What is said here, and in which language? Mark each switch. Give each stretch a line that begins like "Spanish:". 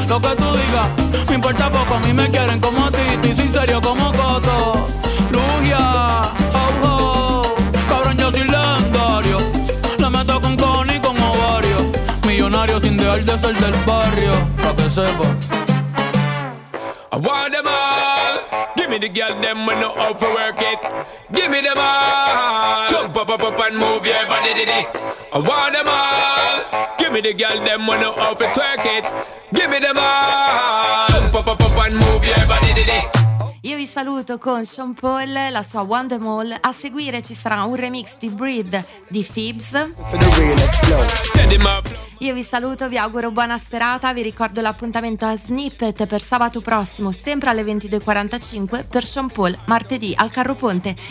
Spanish: Lo que tú digas, me importa poco. A mí me quieren como a ti, estoy sincero como Coto. Lugia, ho, ho. Cabrón, yo soy legendario. Le meto con Connie y con ovario. Millonario sin dejar de ser del barrio. Pa' que sepa.
English: I want them all. Give me the girl them when no out for work it. Give me them all. Jump up, up, up and move your body, di, di. I want them all. Give me the girl them when no out for twerk it. Give me them all. Jump up, up, up and move your body, di, di.
Italian: Io vi saluto con Sean Paul, la sua One Them All. A seguire ci sarà un remix di Breed di Phibs. Io vi saluto, vi auguro buona serata. Vi ricordo l'appuntamento a Snippet per sabato prossimo, sempre alle 22.45, per Sean Paul, martedì al Carro Ponte.